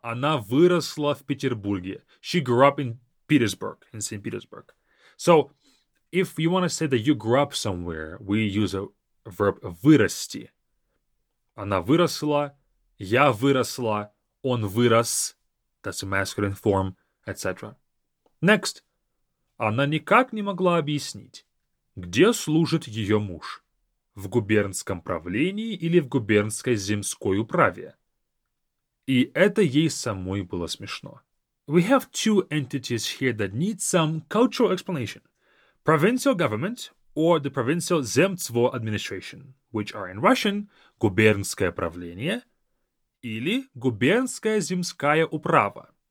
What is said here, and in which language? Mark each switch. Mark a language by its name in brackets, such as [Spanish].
[Russian] Она выросла в Петербурге. [English] She grew up in Petersburg, in St. Petersburg. So, if you want to say that you grew up somewhere, we use a verb вырасти. [Russian] Она выросла, я выросла, он вырос. [English] That's a masculine form, etc. Next. [Russian] Она никак не могла объяснить, где служит ее муж. В губернском правлении или в губернской земской управе. И это ей самой было смешно. [English] We have two entities here that need some cultural explanation. Provincial government or the provincial земство administration, which are in Russian, [Russian] губернское правление или губернская земская управа.